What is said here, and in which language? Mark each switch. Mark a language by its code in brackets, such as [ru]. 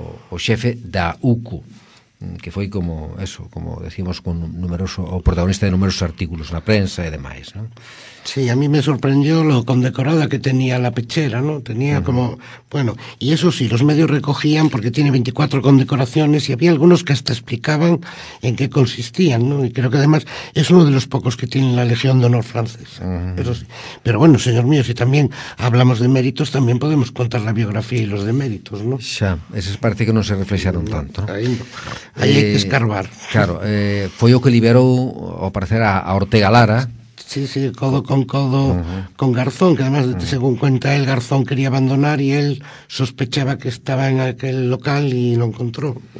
[gl] O xefe da UCO, que foi como decimos, con numeroso, o protagonista de numerosos artículos na prensa e demais, ¿no? [es] Sí, a mí me sorprendió lo condecorada que tenía la pechera, ¿no? Tenía, uh-huh, como, bueno, y eso sí, los medios recogían porque tiene 24 condecoraciones y había algunos que hasta explicaban en qué consistían, ¿no? Y creo que además es uno de los pocos que tiene la Legión de Honor francesa, uh-huh, eso sí. Pero bueno, señor mío, si también hablamos de méritos, también podemos contar la biografía y los de méritos, ¿no? Xa, eso parece que no se reflexaron tanto. Ahí hay que escarbar. [gl] Claro, foi o que liberou, ao parecer, a Ortega Lara. [es] Sí, sí, codo con codo, uh-huh, con Garzón, que además, uh-huh, según cuenta él, Garzón quería abandonar y él sospechaba que estaba en aquel local y lo encontró.